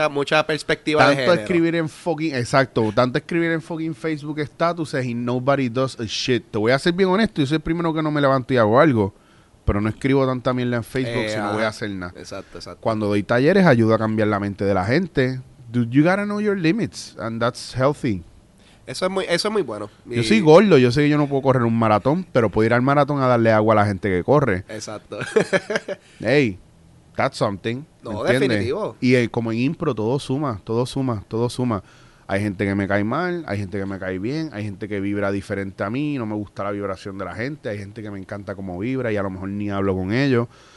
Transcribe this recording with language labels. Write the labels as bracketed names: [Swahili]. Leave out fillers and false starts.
[Spanish] Mucha perspectiva tanto de género. Tanto escribir en fucking... Exacto. Tanto escribir en fucking Facebook statuses y [English] nobody does a shit. [Spanish] Te voy a ser bien honesto. Yo soy el primero que no me levanto y hago algo. Pero no escribo tanta mierda en Facebook si no voy a hacer nada. Exacto, exacto. Cuando doy talleres, ayudo a cambiar la mente de la gente. [English] Dude, you gotta know your limits, and that's healthy. [Spanish] Eso es muy bueno. Yo soy gordo, yo sé que yo no puedo correr un maratón, pero puedo ir al maratón a darle agua a la gente que corre. Exacto. [English] Hey, that's something. [Spanish] No, ¿entiendes? Definitivo. Y como en impro, todo suma. Hay gente que me cae mal, hay gente que me cae bien, hay gente que vibra diferente a mí, no me gusta la vibración de la gente, hay gente que me encanta cómo vibra y a lo mejor ni hablo con ellos.